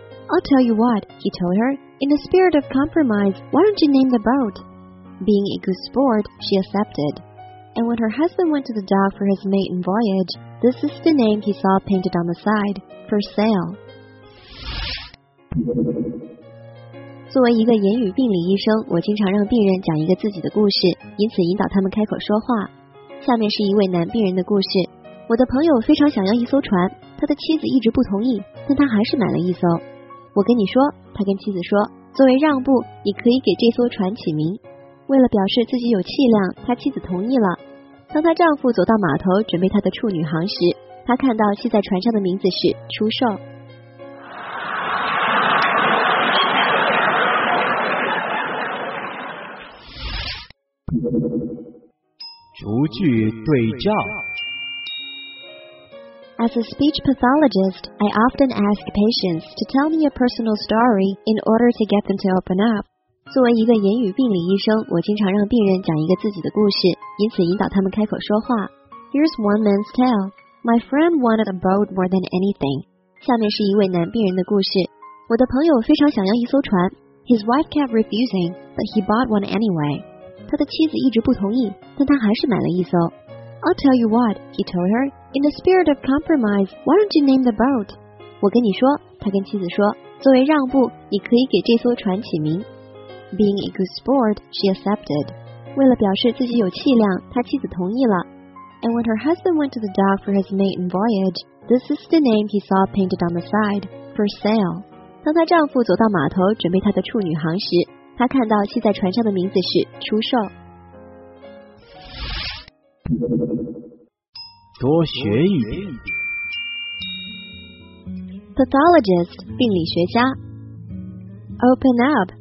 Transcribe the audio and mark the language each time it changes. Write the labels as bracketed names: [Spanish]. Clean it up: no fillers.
[English] I'll tell you what, he told her. In the spirit of compromise, why don't you name the boat? Being a good sport, she accepted. And when her husband went to the dock for his maiden voyage, this is the name he saw painted on the side, for sale. [Chinese] 作为一个言语病理医生，我经常让病人讲一个自己的故事，因此引导他们开口说话。下面是一位男病人的故事。我的朋友非常想要一艘船，他的妻子一直不同意，但他还是买了一艘。我跟你说，他跟妻子说，作为让步，你可以给这艘船起名。为了表示自己有气量，他妻子同意了。当他丈夫走到码头准备他的处女航时，他看到系在船上的名字是出售。逐句对照。 [English] As a speech pathologist, I often ask patients to tell me a personal story in order to get them to open up. [Chinese] 作为一个言语病理医生，我经常让病人讲一个自己的故事，因此引导他们开口说话。 [English] Here's one man's tale. My friend wanted a boat more than anything. [Chinese] 下面是一位男病人的故事。我的朋友非常想要一艘船。 [English] His wife kept refusing, but he bought one anyway. [Chinese] 他的妻子一直不同意，但他还是买了一艘。 [English] I'll tell you what, he told her. In the spirit of compromise, why don't you name the boat? [Chinese] 我跟你说，他跟妻子说，作为让步，你可以给这艘船起名。 [English] Being a good sport, she accepted. [Chinese] 为了表示自己有气量，她妻子同意了。 [English] And when her husband went to the dock for his maiden voyage, this is the name he saw painted on the side, for sale. [Chinese] 当她丈夫走到码头准备她的处女航时，她看到系在船上的名字是出售。多学一点。 [English] Pathologist, 病理学家。Open up.